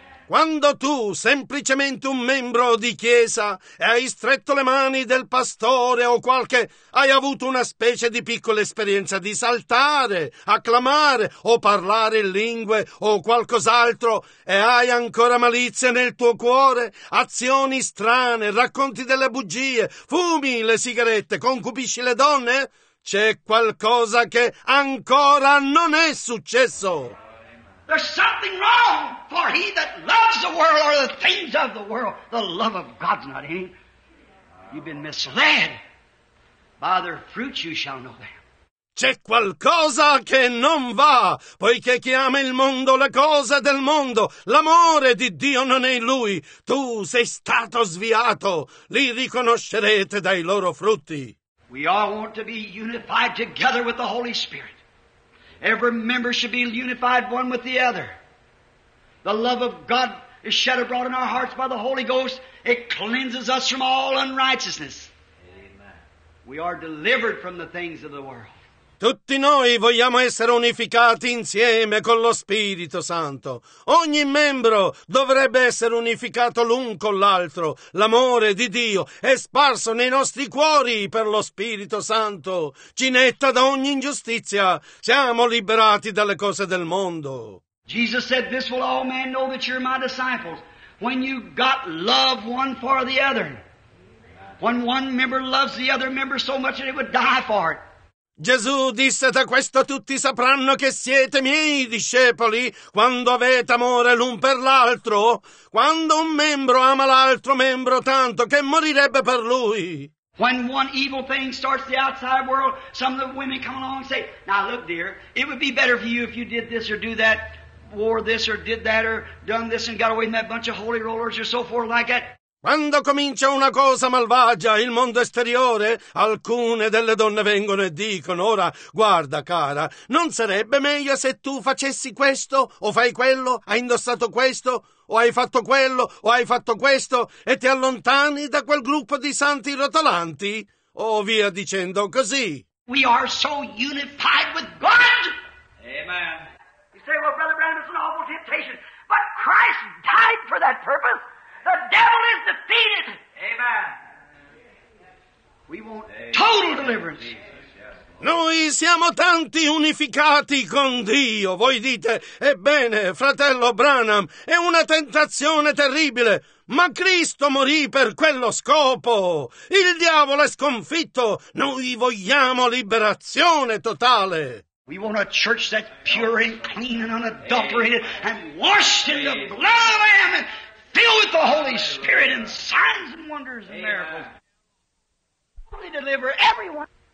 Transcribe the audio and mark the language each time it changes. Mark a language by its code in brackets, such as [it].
[it] Quando tu, semplicemente un membro di chiesa, hai stretto le mani del pastore o qualche, hai avuto una specie di piccola esperienza di saltare, acclamare o parlare in lingue o qualcos'altro e hai ancora malizia nel tuo cuore, azioni strane, racconti delle bugie, fumi le sigarette, concupisci le donne, c'è qualcosa che ancora non è successo. [en] There's something wrong, for he that loves the world or the things of the world, the love of God's not in him. You've been misled. By their fruits you shall know them. [it] C'è qualcosa che non va, poiché chi ama il mondo, le cose del mondo, l'amore di Dio non è in lui. Tu sei stato sviato, li riconoscerete dai loro frutti. [en] We all want to be unified together with the Holy Spirit. Every member should be unified one with the other. The love of God is shed abroad in our hearts by the Holy Ghost. It cleanses us from all unrighteousness. Amen. We are delivered from the things of the world. [it] Tutti noi vogliamo essere unificati insieme con lo Spirito Santo. Ogni membro dovrebbe essere unificato l'un con l'altro. L'amore di Dio è sparso nei nostri cuori per lo Spirito Santo. Ci netta da ogni ingiustizia. Siamo liberati dalle cose del mondo. [en] Jesus said, "This will all men know that you're my disciples. When you got love one for the other. When one member loves the other member so much that it would die for it." [it] Gesù disse, da questo tutti sapranno che siete miei discepoli, quando avete amore l'un per l'altro, quando un membro ama l'altro membro tanto che morirebbe per lui. [en] When one evil thing starts the outside world, some of the women come along and say, "Now look dear, it would be better for you if you did this or do that, wore this or did that or done this and got away from that bunch of holy rollers or so forth like that." [it] Quando comincia una cosa malvagia, il mondo esteriore, alcune delle donne vengono e dicono, ora, guarda cara, non sarebbe meglio se tu facessi questo, o fai quello, hai indossato questo, o hai fatto quello, o hai fatto questo, e ti allontani da quel gruppo di santi rotolanti, o via dicendo così. [en] We are so unified with God! Amen. You say, well, Brother Brown, it's an awful temptation, but Christ died for that purpose. The devil is defeated. Amen. We want total deliverance. [it] Noi siamo tanti unificati con Dio. Voi dite, ebbene, fratello Branham, è una tentazione terribile. Ma Cristo morì per quello scopo. Il diavolo è sconfitto. Noi vogliamo liberazione totale. [en] We want a church that's pure and clean and unadulterated and washed in the blood of the Lamb. Filled with the Holy Spirit and signs and wonders and miracles. We deliver everyone.